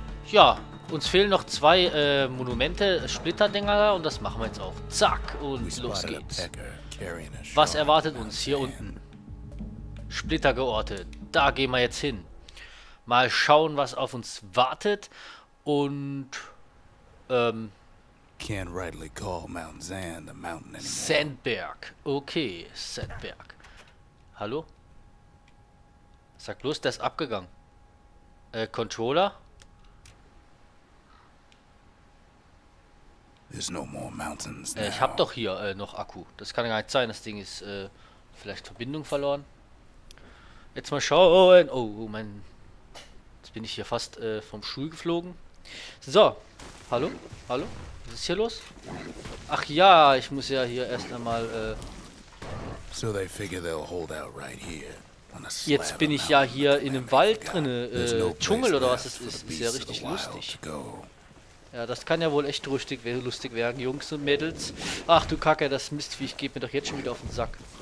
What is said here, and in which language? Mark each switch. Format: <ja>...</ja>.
<de>Ja, uns fehlen noch zwei Monumente, Splitterdinger, und das machen wir jetzt auch. Zack, und los geht's. Was erwartet uns hier unten? Splitter geortet. Da gehen wir jetzt hin. Mal schauen, was auf uns wartet. Und</de> <en>can't rightly call Mount Zan the mountain anymore.</en> <de>Sandberg. Okay, Sandberg. Hallo? Sag bloß, der ist abgegangen. Controller?</de> <en>There's no more mountains now.</en> <de>Ich hab doch hier noch Akku. Das kann ja gar nicht sein. Das Ding ist vielleicht Verbindung verloren. Jetzt mal schauen. Oh, mein. Jetzt bin ich hier fast vom Stuhl geflogen. So. Hallo? Hallo? Was ist hier los? Ach ja, ich muss ja hier erst einmal.</de> <en>So they figure they'll hold out right here.</en> <de>Jetzt bin ich ja hier in einem Wald drin. Dschungel oder was es ist. Ist ja richtig lustig. Ja, das kann ja wohl echt lustig werden, Jungs und Mädels. Ach du Kacke, das Mistviech geht mir doch jetzt schon wieder auf den Sack.</de>